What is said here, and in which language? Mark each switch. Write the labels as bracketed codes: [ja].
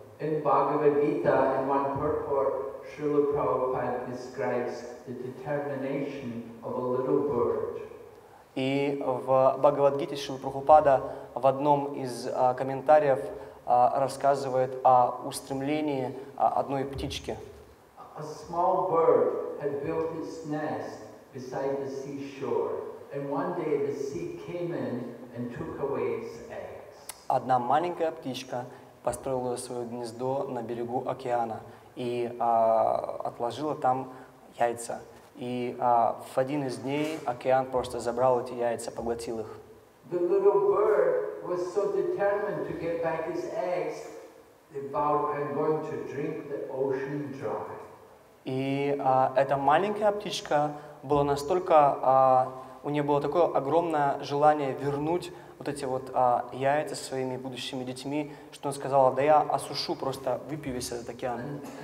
[en] In Bhagavad-gita, in one purport, Srila Prabhupada describes the determination of a little bird. [ru] И в Бхагавад-гите Шрила Прабхупада в одном из комментариев рассказывает о устремлении одной птички. [en] A small bird had built its nest beside the seashore. And one day the sea came in and took away its eggs. [ru] Одна маленькая птичка построила свое гнездо на берегу океана и отложила там яйца. И в один из дней океан просто забрал эти яйца, поглотил их. [en] The little bird was so determined to get back his eggs, they vowed, "I'm going to drink the ocean dry." [ru] И эта маленькая птичка была настолько у нее было такое огромное желание вернуть вот эти вот яйца со своими будущими детьми, что она сказала, да я осушу, просто выпью весь этот океан.